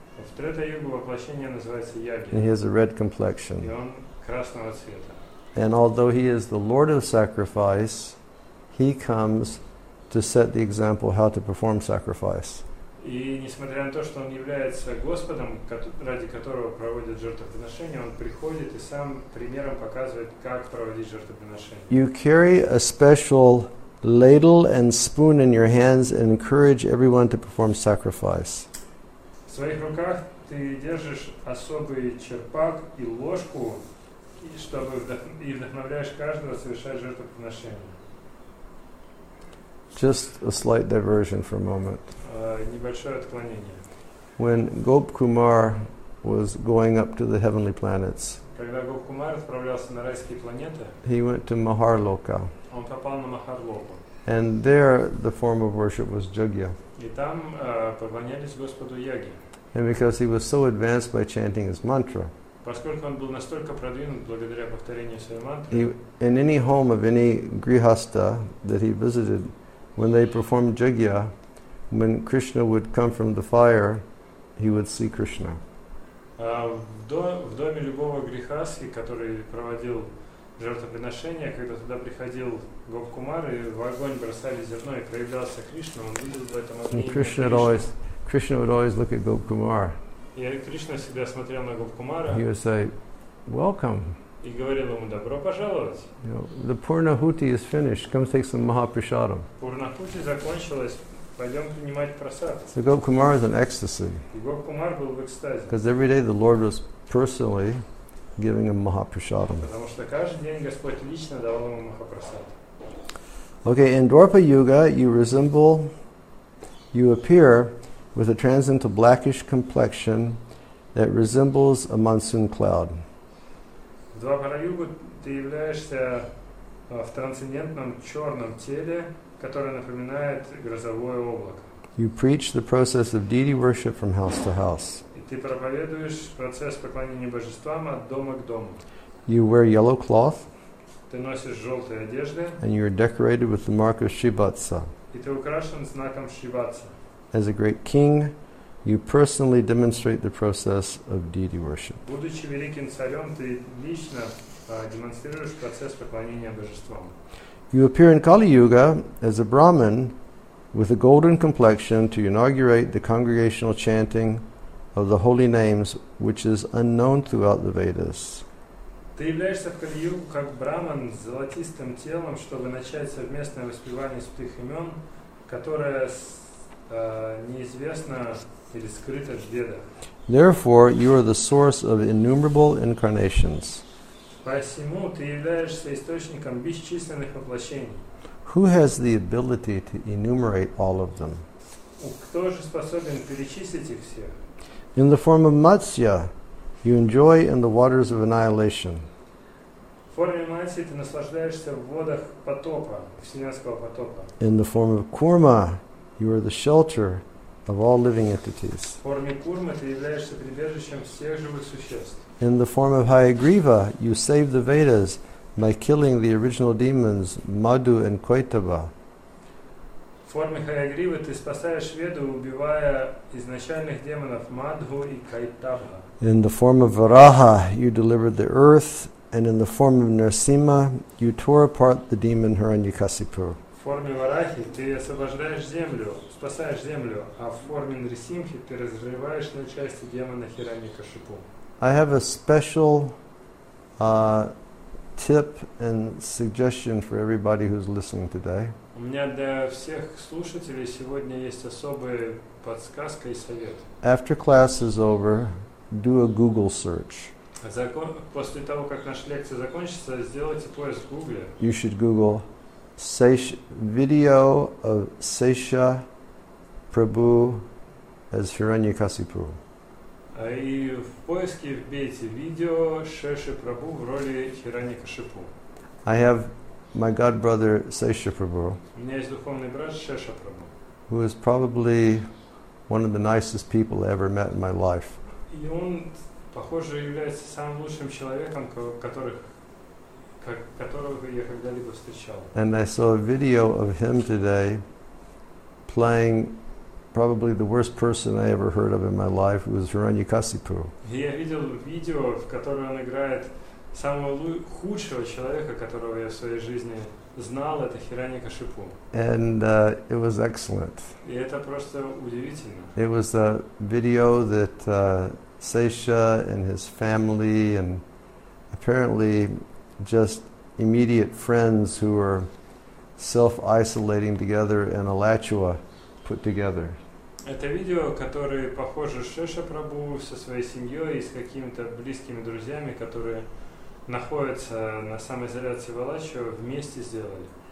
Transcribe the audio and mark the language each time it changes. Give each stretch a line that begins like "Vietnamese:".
Russian: В Трета Югу воплощение называется Ягья.
English: And he has a red complexion.
Russian: И он красного цвета.
English: And although he is the Lord of Sacrifice, he comes to set the example how to perform sacrifice.
Russian: И несмотря на то, что он является Господом, ради которого проводят жертвоприношения, он приходит и сам примером показывает, как проводить жертвоприношения.
English: You carry a special ladle and spoon in your hands and encourage everyone to perform sacrifice.
Russian: В своих руках ты держишь особый черпак и ложку, чтобы вдохновляешь каждого совершать жертвоприношение.
English: Just a slight diversion for a moment.
Russian: Небольшое отклонение.
English: When Gop Kumar was going up to the heavenly planets,
Russian: когда Gop Kumar отправлялся на райские планеты,
English: he went to Maharloka.
Russian: Он попал на Махарлоку.
English: And there the form of worship was Jagya.
Russian: И там поклонялись Господу Яге.
English: And because he was so advanced by chanting his mantra,
Russian: поскольку он был настолько продвинут благодаря повторению своей мантры,
English: in any home of any grihastha that he visited, when they performed Jagya, when Krishna would come from the fire, he would see Krishna.
Russian: В доме любого грихасхи, который проводил жертвоприношение, когда туда приходил Gop Kumar, и в огонь бросали зерно, и проявлялся Кришна, он видел в этом огне Кришна.
English: Krishna would always look at Gop Kumar.
Russian: И Кришна всегда смотрел на Gop Kumar.
English: He would say, welcome.
Russian: И говорил ему, добро пожаловать.
English: You know, the Purnahuti is finished. Come take some Mahaprasadam.
Russian: Пурнахути закончилось. Пойдем принимать прасад.
English: So Gop Kumar is in ecstasy.
Russian: И Gop Kumar был в экстазе.
English: Because every day the Lord was personally giving him Mahaprasadam.
Russian: Потому что каждый день Господь лично давал ему Mahaprasad.
English: Okay, in Dwarpa Yuga, you appear with a transcendental blackish complexion that resembles a monsoon cloud.
Russian: В Двапараюгу ты являешься в трансцендентном черном теле, которое напоминает грозовое облако.
English: You preach the process of deity worship from house to house.
Russian: И ты проповедуешь процесс поклонения божествам от дома к дому.
English: You wear yellow cloth.
Russian: Ты носишь желтые одежды.
English: And you are decorated with the mark of Shivatsa.
Russian: И ты украшен знаком Шиватса.
English: As a great king, you personally demonstrate the process of deity worship.
Russian: Будучи великим царем, ты лично демонстрируешь процесс поклонения божествам.
English: You appear in Kali Yuga as a Brahmin with a golden complexion to inaugurate the congregational chanting of the holy names, which is unknown throughout the Vedas.
Russian: Ты являешься в Kali Yuga как Brahmin с золотистым телом, чтобы начать совместное воспевание святых имен, которое неизвестно или скрытость деда.
English: Therefore, you are the source of innumerable incarnations.
Russian: Посему ты являешься источником бесчисленных воплощений.
English: Who has the ability to enumerate all of them?
Russian: Кто же способен перечислить их все?
English: In the form of Matsya, you enjoy in the waters of annihilation.
Russian: В форме Матсьи ты наслаждаешься в водах потопа, вселенского потопа.
English: In the form of Kurma, you are the shelter of all living entities.
Russian: В форме Курмы ты являешься прибежищем всех живых существ.
English: In the form of Hayagriva, you save the Vedas by killing the original demons Madhu and Kaitava.
Russian: В форме Хаягривы ты спасаешь Веду, убивая изначальных демонов Мадху и Кайтабха.
English: In the form of Varaha, you delivered the earth, and in the form of Narsima, you tore apart the demon Hiranyakasipu.
Russian: В форме Варахи ты освобождаешь землю, спасаешь землю, а в форме Нарсимхи ты разрываешь на части демона Хираньякашипу.
English: I have a special tip and suggestion for everybody who's listening today.
Russian: У меня для всех слушателей сегодня есть особая подсказка и совет.
English: After class is over, do a Google search.
Russian: После того, как наша лекция закончится, сделайте поиск в Google.
English: You should Google video of Sesha Prabhu as Hiranyakasipu.
Russian: И в поиске вбейте видео Шеши Прабу в роли Хираньякашипу.
English: I have my god brother Sesha Prabhu.
Russian: У меня есть духовный брат Шеша Прабу.
English: Who is probably one of the nicest people I ever met in my life.
Russian: И он, похоже, является самым лучшим человеком, которого я когда-либо встречал.
English: And I saw a video of him today playing probably the worst person I ever heard of in my life was Hiranyakasipu.
Russian: Я видел видео, в котором он играет самого худшего человека, которого я в своей жизни знал, это Хираньякашипу.
English: And it was excellent.
Russian: И это просто удивительно.
English: It was a video that Sesha and his family and apparently just immediate friends who were self-isolating together in Alachua put together.
Russian: Это видео, которое похоже Шеша Прабу со своей семьей и с какими-то близкими друзьями, которые находятся на самоизоляции в Алачо, вместе сделали.